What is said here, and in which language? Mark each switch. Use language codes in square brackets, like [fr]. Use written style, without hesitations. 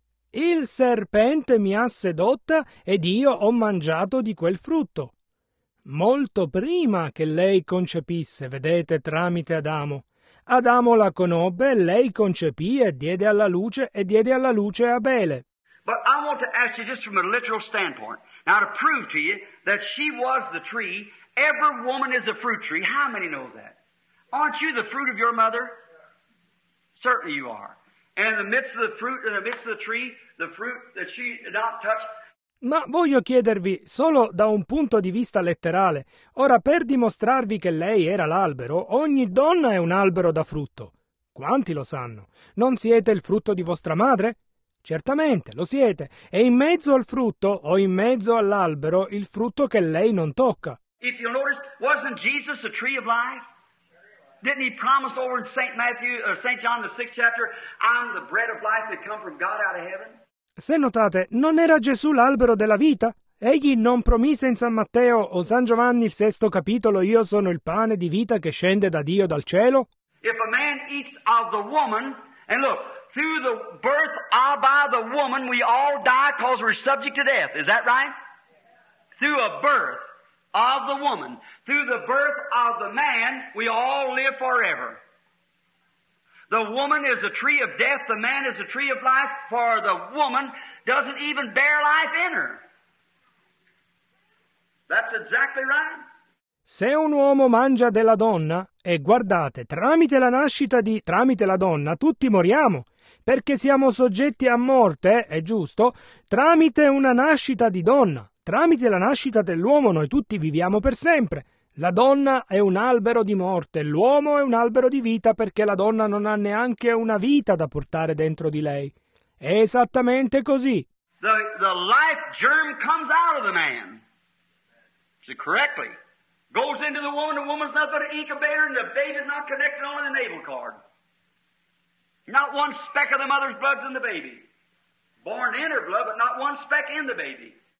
[it] Il serpente mi ha sedotta, ed io ho mangiato di quel frutto. Molto prima che lei concepisse, vedete, tramite Adamo. Adamo la conobbe, lei concepì e diede alla luce Abele. [en] But I want to ask you just from a literal standpoint. Now to prove to you that she was the tree, every woman is a fruit tree. How many know that? Aren't you the fruit of your mother? Certainly you are. And in the midst of the fruit, in the midst of the tree, the fruit that she did not touch. [it] Ma voglio chiedervi, solo da un punto di vista letterale, ora per dimostrarvi che lei era l'albero, ogni donna è un albero da frutto. Quanti lo sanno? Non siete il frutto di vostra madre? Certamente, lo siete. E in mezzo al frutto, o in mezzo all'albero, il frutto che lei non tocca. [en] If you notice, wasn't Jesus a tree of life? Didn't he promise over in St. Matthew, or St. John, the sixth chapter, I'm the bread of life that come from God out of heaven? [it] Se notate, non era Gesù l'albero della vita? Egli non promise in San Matteo o San Giovanni il sesto capitolo, io sono il pane di vita che scende da Dio dal cielo? [en] If a man eats of the woman, and look, through the birth of by the woman, we all die because we're subject to death. Is that right? Through a birth of the woman, through the birth of the man, we all live forever. The woman is a tree of death, the man is a tree of life, for the woman doesn't even bear life in her. That's exactly right. [it] Se un uomo mangia della donna, e guardate, tramite la nascita di, tramite la donna, tutti moriamo, perché siamo soggetti a morte, è giusto, tramite una nascita di donna, tramite la nascita dell'uomo noi tutti viviamo per sempre. La donna è un albero di morte, l'uomo è un albero di vita perché la donna non ha neanche una vita da portare dentro di lei. È esattamente così. [en] The life germ comes out of the man. See, correctly. Goes into the woman, the woman's not but an incubator, and the baby's not connected only the navel cord. Not one speck of the mother's blood's in the baby. Born in her blood, but not one speck in the baby.